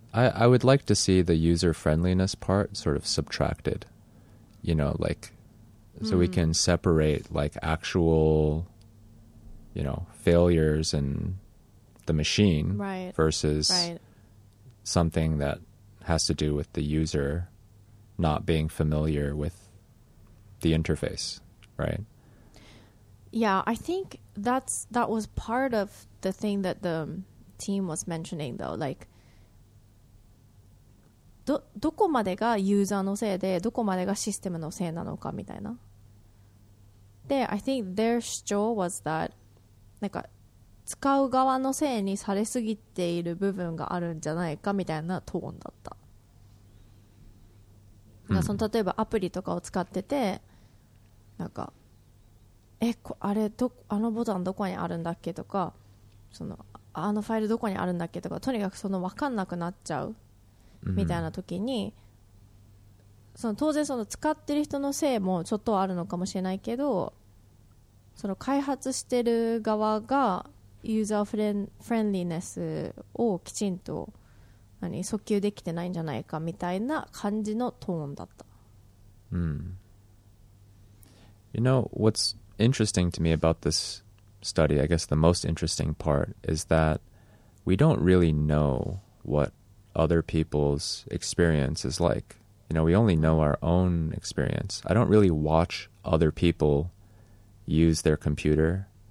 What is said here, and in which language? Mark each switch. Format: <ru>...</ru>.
<en>I would like to see the user friendliness part sort of subtracted, you know, like so we can separate like actual, you know, failures in the machine versus something that has to do with the user. Not being familiar with the interface, right? Yeah, I think that was part of the thing that the team was mentioning, though.</en> <ja>Like, どこまでがユーザーのせいで、どこまでがシステムのせいなのかみたいな。で、</ja> <en>I think their</en> <ja>主張</ja> <en>was that,</en> <ja>なんか使う側のせいにされすぎている部分があるんじゃないかみたいなトーンだった。その例えばアプリとかを使ってて、なんかえこあれどあのボタンどこにあるんだっけとか、そのあのファイルどこにあるんだっけとか、とにかくその分かんなくなっちゃうみたいな時に、その当然その使ってる人のせいもちょっとあるのかもしれないけど、その開発してる側がユーザーフレンリーネスをきちんと何訴求できてないんじゃないかみたいな感じのトーンだった。</ja> <en>You know, what's interesting to me about this study, I guess the most interesting part, is that we don't really know what other people's experience is like. You know, we only know our own experience. I don't really watch other people use their computer.</en>